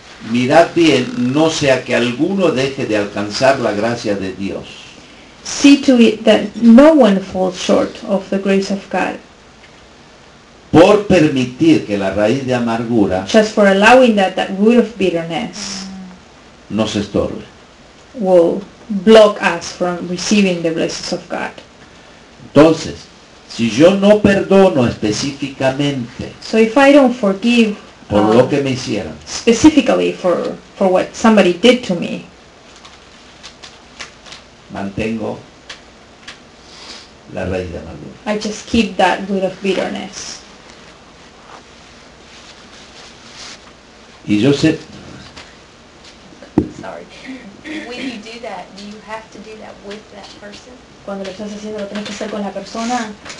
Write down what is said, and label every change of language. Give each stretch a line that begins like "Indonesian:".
Spanish: mirad bien, no sea que alguno deje de alcanzar la gracia de Dios.
English: See to it that no one falls short of the grace of God.
Spanish: Por permitir que la raíz de amargura,
English: just for allowing that root of bitterness,
Spanish: nos estorbe,
English: will block us from receiving the blessings of God.
Spanish: Entonces, si yo no perdono específicamente,
English: so if I don't forgive,
Spanish: por lo que me hicieron,
English: specifically for what somebody did to me,
Spanish: mantengo la raíz de amargura.
English: I just keep that root of bitterness.
Spanish: Y yo sé.
English: Sorry. When you do that, do you have to do that with that person?
Spanish: Cuando lo estás haciendo, lo tienes que hacer con la persona.